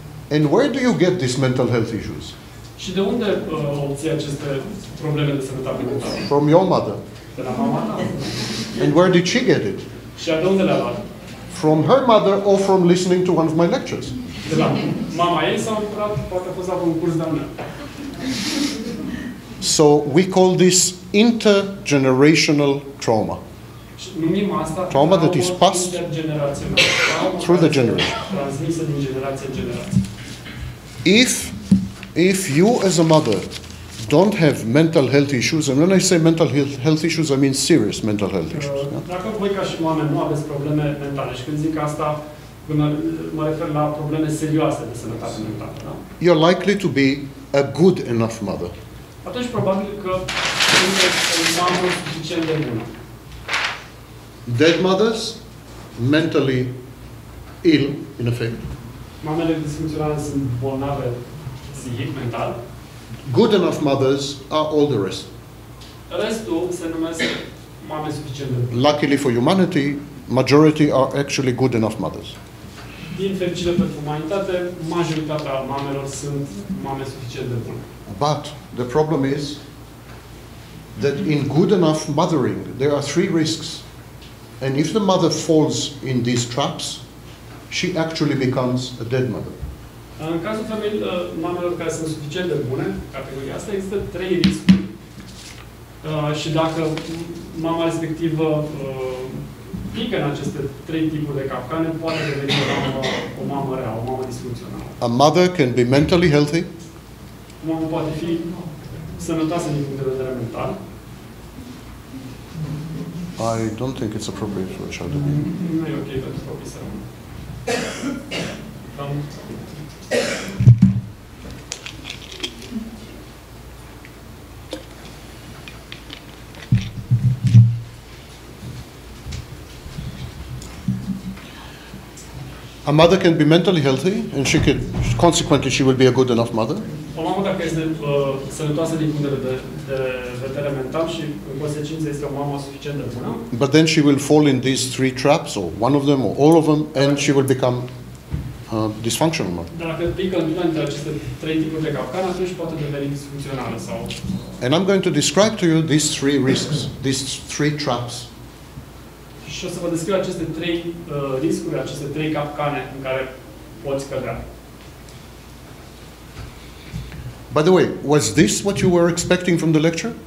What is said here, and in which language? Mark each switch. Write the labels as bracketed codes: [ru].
[en] And where do you get these mental health issues? [ro] Și de unde obții aceste probleme de sănătate mentală? [en] From your mother. [ro] De la mama ta. [en] And where did she get it? [ro] Și de unde le-a luat? [en] From her mother or from listening to one of my lectures. [ro] De la mama ei sau poate a fost la un curs de-al meu. [en] So we call this intergenerational trauma. [ro] Numim asta [en] trauma that is passed through the generation. [ro] Transmisă din generație în generație. [en] If you as a mother don't have mental health issues, and when I say mental health issues, I mean serious mental health issues. [ro] Dacă voi ca și mame nu aveți probleme mentale, și când zic asta, mă refer la probleme serioase de sănătate mentală, da? [en] You're likely to be a good enough mother. [ro] Atunci probabil că sunteți o mamă suficient de bună. [en] Dead mothers, mentally ill, in effect. [ro] Mamele disfuncționale sunt bolnave psihic, mental. [en] Good enough mothers are all the rest. [ro] Restul se numesc mame suficient de bune. [en] Luckily for humanity, majority are actually good enough mothers. [ro] Din fericire pentru umanitate, majoritatea mamelor sunt mame suficient de bune. [en] But the problem is that in good enough mothering, there are three risks. And if the mother falls in these traps, she actually becomes a dead mother. [ro] În cazul familiei mamelor care sunt suficient de bune, categoria asta, există trei riscuri. Și dacă mama respectivă pică în aceste trei tipuri de capcane, poate deveni o mamă rea, o mamă disfuncțională. [en] A mother can be mentally healthy. [ro] Mama poate fi sănătoasă din punct de vedere mental. [en] I don't think it's appropriate for a child to be. [ro] Nu e ok pentru copii să rămână. [en] A mother can be mentally healthy and she could consequently she will be a good enough mother. [ro] O mamă dacă este sănătoasă din punct de vedere mental și în consecință este o mamă suficient de bună. [en] But then she will fall in these three traps or one of them or all of them and she will become dysfunctional mother. [ro] Dacă pică în dintre aceste trei tipuri de capcane, atunci poate deveni disfuncțională sau. [en] And I'm going to describe to you these three risks, these three traps. [ro] Și o să vă descriu aceste trei riscuri, aceste trei capcane în care poți cădea. [en] By the way, was this what you were expecting from the lecture?